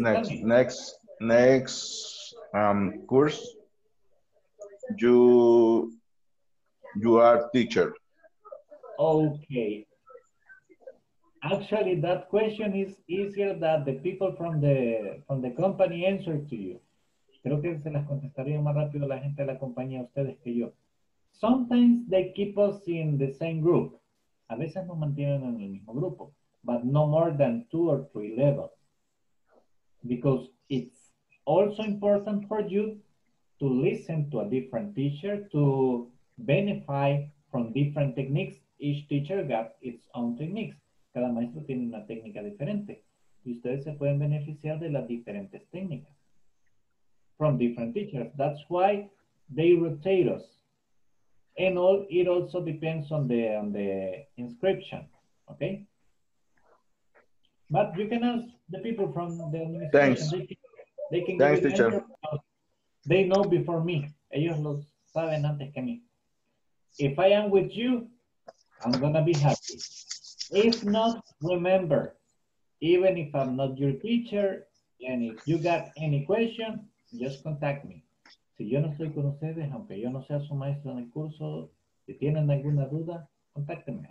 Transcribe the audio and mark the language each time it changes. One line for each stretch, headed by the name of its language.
English: next course. You are teacher. Okay. Actually, that question is easier that the people from the company answer to you.
Spanish: Creo que se las contestaría más rápido la gente de la compañía a ustedes que yo.
English: Sometimes they keep us in the same group.
Spanish: A veces nos mantienen en el mismo grupo,
English: but no more than 2 or 3 levels. Because it's also important for you to listen to a different teacher, to benefit from different techniques. Each teacher got its own techniques.
Spanish: cada maestro tiene una técnica diferente. Y ustedes se pueden beneficiar de las diferentes técnicas.
English: From different teachers. That's why they rotate us. And all, it also depends on the inscription. Okay? But you can ask the people from the administration. Thanks. They can Thanks, teacher. They know before me.
Spanish: Ellos lo saben antes que mí.
English: If I am with you, I'm going to be happy. If not, remember, even if I'm not your teacher, and if you got any question, just contact me.
Spanish: Si yo no estoy con ustedes, aunque yo no sea su maestro en el curso, si tienen alguna duda, contáctenme.